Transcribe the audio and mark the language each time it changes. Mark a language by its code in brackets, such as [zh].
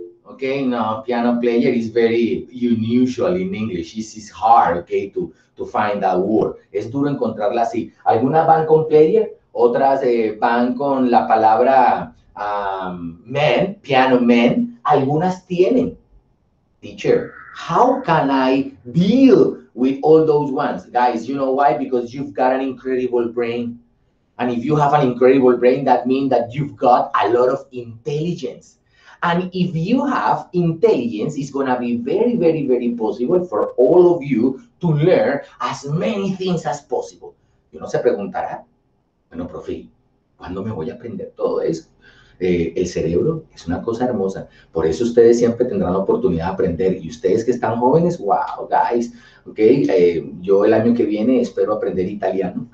[en] Okay, no, piano player is very unusual in English. It's hard, okay, to find that word. [es] Es duro encontrarla así. Algunas van con player, otras van con la palabra man, piano man. Algunas tienen, [en] teacher, how can I deal with all those ones? Guys, you know why? Because you've got an incredible brain. And if you have an incredible brain, that means that you've got a lot of intelligence. And if you have intelligence, it's going to be very, very, very possible for all of you to learn as many things as possible. [es] Y uno se preguntará, bueno, profe, ¿cuándo me voy a aprender todo eso? El cerebro es una cosa hermosa. Por eso ustedes siempre tendrán la oportunidad de aprender. Y ustedes que están jóvenes, [en] wow, guys. [es] Okay, yo el año que viene espero aprender italiano.